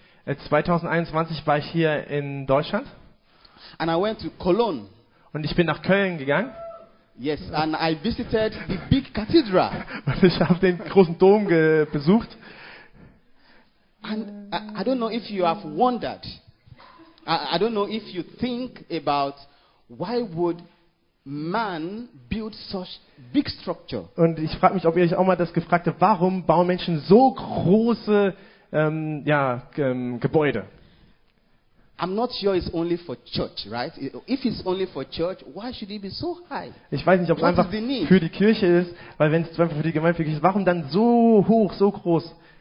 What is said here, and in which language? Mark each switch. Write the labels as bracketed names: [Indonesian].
[German] 2021 war ich hier in Deutschland. [English] And I went to Cologne. [German] Und ich bin nach Köln gegangen. [English] Yes, and I visited the big cathedral. [German] Und ich habe den großen Dom besucht. [English] And I don't know if you have wondered. I don't know if you think about why would man build such big structure. [German] Und ich frage mich, ob ihr euch auch mal das gefragt habt, warum bauen Menschen so große Gebäude? [English] I'm not sure it's only for church, right? If it's only for church, why should it be so high? [German] Ich weiß nicht, ob es einfach für die Kirche ist, weil wenn es einfach für die Gemeinde ist, warum dann so hoch, so groß?